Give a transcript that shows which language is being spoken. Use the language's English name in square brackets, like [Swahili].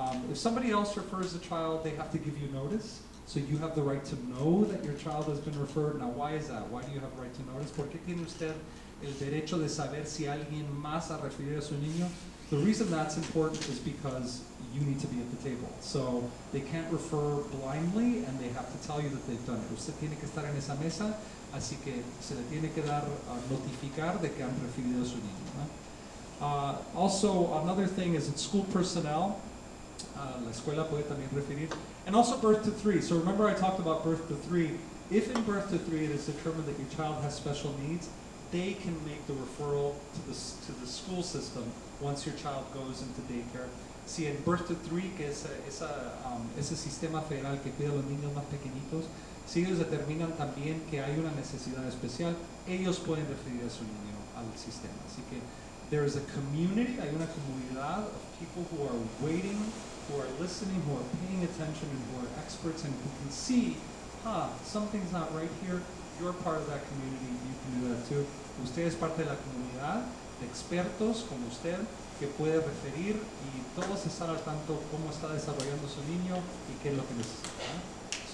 [English] If somebody else refers a child, they have to give you notice. So you have the right to know that your child has been referred. Now, why is that? Why do you have the right to notice? [Spanish] ¿Por qué tiene usted el derecho de saber si alguien más ha referido a su niño? [English] The reason that's important is because you need to be at the table. So they can't refer blindly, and they have to tell you that they've done it. [Spanish] Usted tiene que estar en esa mesa, así que se le tiene que dar notificar de que han referido a su niño. [English] ¿No? Also, another thing is it's school personnel. [Spanish] La escuela puede también referir. [English] And also birth to three. So remember I talked about birth to three. If in birth to three it is determined that your child has special needs, they can make the referral to the school system once your child goes into daycare. [Spanish] Si en birth to three, que es ese sistema federal que pide a los niños más pequeñitos, si ellos determinan también que hay una necesidad especial, ellos pueden referir a su niño al sistema. Así que [English] there is a community, [Spanish] hay una comunidad [English] of people who are waiting, who are listening, who are paying attention, and who are experts, and who can see, something's not right here. You're part of that community, you can do that too. [Spanish] Usted es parte de la comunidad de expertos como usted, que puede referir y todos están al tanto cómo está desarrollando su niño y qué es lo que necesita.